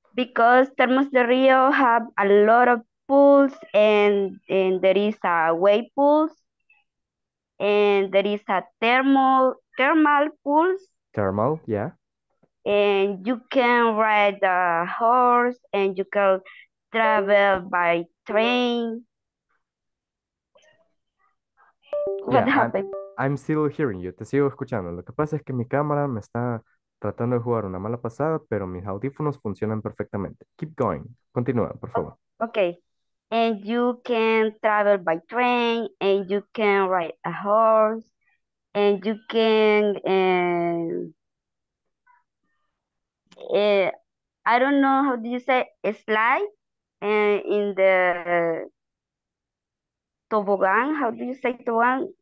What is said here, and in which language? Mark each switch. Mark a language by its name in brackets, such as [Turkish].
[English] Because Termos de Rio have a lot of pools and there is a wave pools and there is a thermal pools. Thermal, yeah. And you can ride a horse and you can travel by train. What happened? I'm still hearing you, [Spanish] te sigo escuchando. Lo que pasa es que mi cámara me está tratando de jugar una mala pasada, pero mis audífonos funcionan perfectamente. [English] Keep going. [Spanish] Continúa, por favor. [English] Okay. And you can travel by train, and you can ride a horse, and you can, I don't know, how do you say, slide in the toboggan, how do you say toboggan?